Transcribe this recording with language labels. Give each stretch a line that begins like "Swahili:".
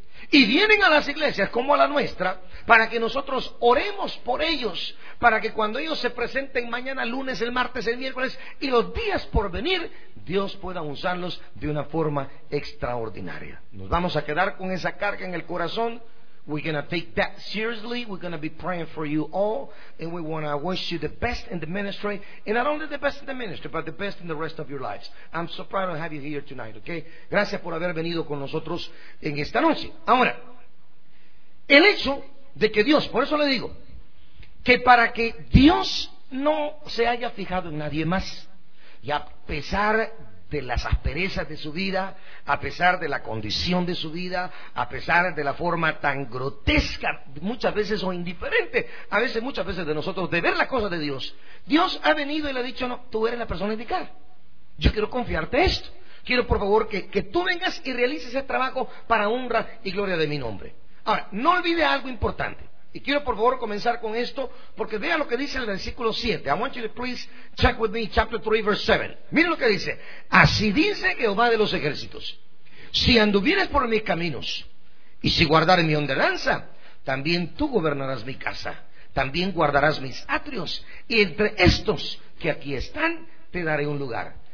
Spanish: Y vienen a las iglesias como a la nuestra para que nosotros oremos por ellos, para que cuando ellos se presenten mañana, lunes, el martes, el miércoles y los días por venir, Dios pueda usarlos de una forma extraordinaria. Nos vamos a quedar con esa carga en el corazón.
English: We're going to take that seriously. We're going to be praying for you all. And we want to wish you the best in the ministry. And not only the best in the ministry, but the best in the rest of your lives. I'm so proud to have you here tonight, okay?
Spanish: Gracias por haber venido con nosotros en esta noche. Ahora, el hecho de que Dios, por eso le digo, que para que Dios no se haya fijado en nadie más, y a pesar de las asperezas de su vida, a pesar de la condición de su vida, a pesar de la forma tan grotesca, muchas veces o indiferente, a veces muchas veces de nosotros, de ver las cosas de Dios, Dios ha venido y le ha dicho, no, tú eres la persona indicada, yo quiero confiarte esto, quiero por favor que tú vengas y realices ese trabajo para honra y gloria de mi nombre. Ahora, no olvide algo importante, y quiero por favor comenzar con esto, porque vea lo que dice el versículo 7.
English: I want you to please check with me chapter 3 verse 7.
Spanish: Mira lo que dice: así dice Jehová de los ejércitos, si anduvieres por mis caminos y si guardares mi ordenanza, también tú gobernarás mi casa, también guardarás mis atrios, y entre estos que aquí están te daré un lugar.